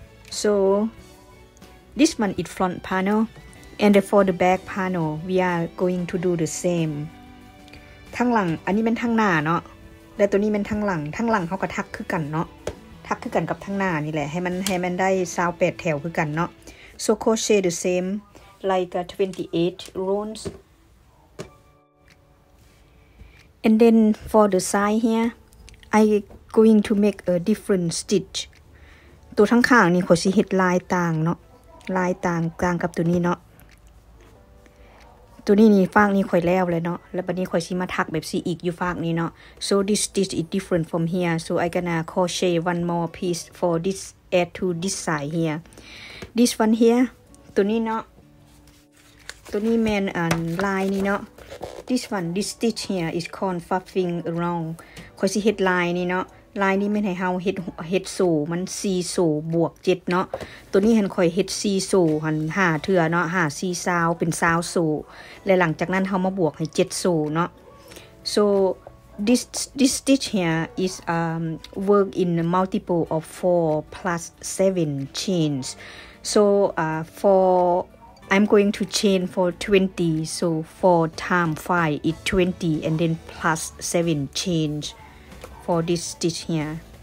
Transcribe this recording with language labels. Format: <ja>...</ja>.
<en>So this one is front panel, and for the back panel, we are going to do the same.</en> <tts>ทั้งหลังอันนี้เป็นทั้งหน้าเนาะและตัวนี้เป็นทั้งหลังทั้งหลังเขาก็ทักคือกันเนาะทักคือกันกับทั้งหน้านี่แหละให้มันได้28แถวคือกันเนาะ</tts> <en>So crochet the same like 28 rows. And then for the side here, I going to make a different stitch.</en> <tts>ตัวทั้งข้างนี่ขอสิเฮ็ดลายต่างเนาะลายต่างกลางกับตัวนี้เนาะตัวนี้นี่ฟากนี่ข่อยแล้วเลยเนาะแล้วบัดนี้ข่อยสิมาทักแบบสิอีกอยู่ฟากนี้เนาะ</tts> <en>So this stitch is different from here. So I gonna crochet one more piece for this add to this side here. This one here,</en> <tts>ตัวนี้เนาะตัวนี้แมนลายนี่เนาะ</tts> <en>this one this stitch here is called fluffing around</en> <tts>ค่อยสิเฮ็ดลายนี่เนาะลายนี่แม่นให้เฮา เฮ็ดโซ่มัน4โซ่บวก7เนาะตัวนี้หั่นค่อยเฮ็ด4โซ่หั่น5เทื่อเนาะ5 4 20เป็น20โซ่และหลังจากนั้นเฮามาบวกให้7โซ่เนาะ</tts> <en>so this stitch here is work in multiple of 4 plus 7 chains so forI'm going to chain for 20, so 4 times 5 is 20, and then plus 7 change for this stitch here.</en>